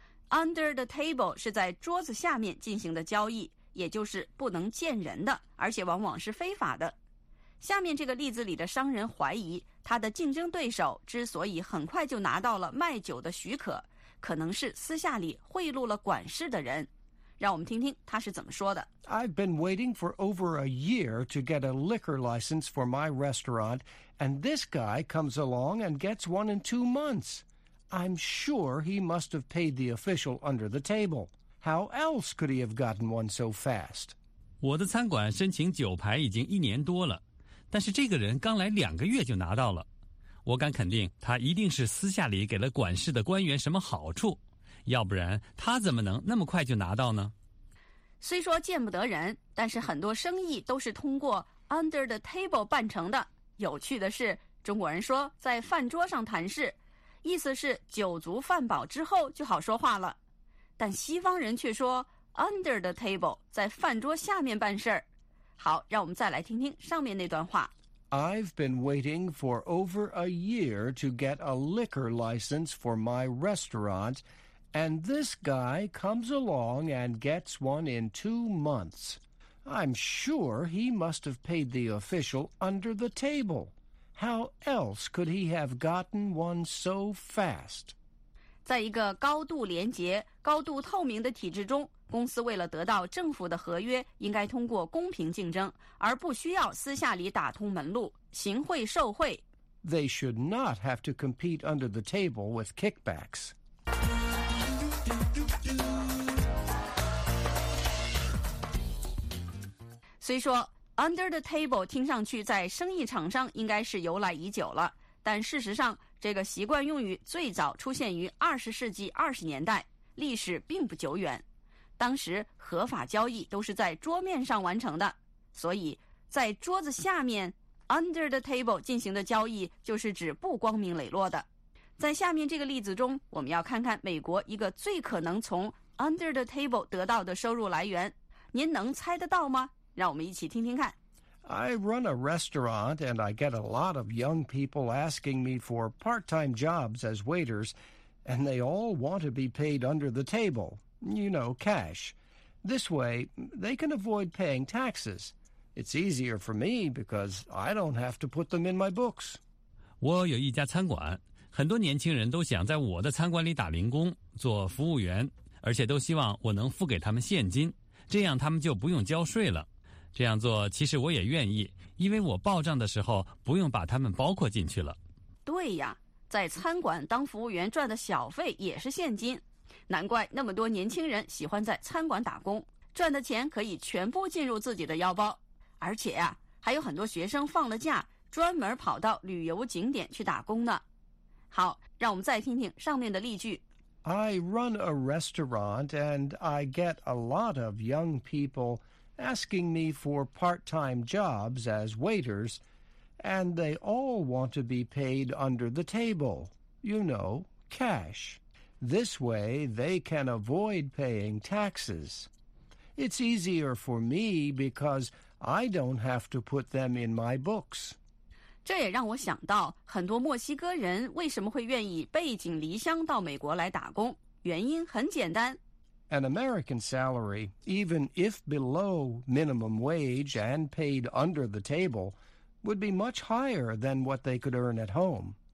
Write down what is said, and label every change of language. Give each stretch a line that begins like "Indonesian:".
Chinese: Under the table 是在桌子下面进行的交易，也就是不能见人的，而且往往是非法的。下面这个例子里的商人怀疑他的竞争对手之所以很快就拿到了卖酒的许可，可能是私下里贿赂了管事的人。让我们听听他是怎么说的。
English: I've been waiting for over a year to get a liquor license for my restaurant, and this guy comes along and gets one in 2 months. I'm sure he must have paid the official under the table. How else could he have gotten one so fast?
Chinese: 我的餐馆申请酒牌已经一年多了，但是这个人刚来两个月就拿到了。我敢肯定他一定是私下里给了管事的官员什么好处。要不然他怎么能那么快就拿到呢？虽说见不得人，但是很多生意都是通过 under the table 办成的。有趣的是，中国人说在饭桌上谈事，意思是酒足饭饱之后就好说话了。但西方人却说 under the table， 在饭桌下面办事儿。好，让我们再来听听上面那段话。
English: I've been waiting for over a year to get a liquor license for my restaurant, and this guy comes along and gets one in 2 months. I'm sure he must have paid the official under the table. How else could he have gotten one so fast?
Chinese: 在一个高度廉洁、高度透明的体制中，公司为了得到政府的合约，应该通过公平竞争，而不需要私下里打通门路，行贿受贿。
English: They should not have to compete under the table with kickbacks.
Chinese: 虽说 under the table 听上去在生意场上应该是由来已久了，但事实上，这个习惯用语最早出现于20世纪20年代，历史并不久远。当时合法交易都是在桌面上完成的，所以在桌子下面 under the table 进行的交易就是指不光明磊落的。在下面这个例子中，我们要看看美国一个最可能从 under the table 得到的收入来源，您能猜得到吗？让我们一起听听看。
English: I run a restaurant and I get a lot of young people asking me for part-time jobs as waiters and they all want to be paid under the table. You know, cash. This way, they can avoid paying taxes. It's easier for me because I don't have to put them in my books.
Chinese: 我有一家餐馆，很多年轻人都想在我的餐馆里打零工，做服务员，而且都希望我能付给他们现金，这样他们就不用交税了。这样做其实我也愿意，因为我报账的时候不用把他们包括进去了。对呀，在餐馆当服务员赚的小费也是现金。难怪那么多年轻人喜欢在餐馆打工，赚的钱可以全部进入自己的腰包。而且啊，还有很多学生放了假，专门跑到旅游景点去打工呢。好，让我们再听听上面的例句。
English: I run a restaurant and I get a lot of young people asking me for part-time jobs as waiters, and they all want to be paid under the table, you know, cash. This way, they can avoid paying taxes. It's easier for me because I don't have to put them in my books.
Chinese: 这也让我想到，很多墨西哥人为什么会愿意背井离乡到美国来打工？原因很简单。
English: An American salary, even if below minimum wage and paid under the table, would be much higher than what they could earn at home.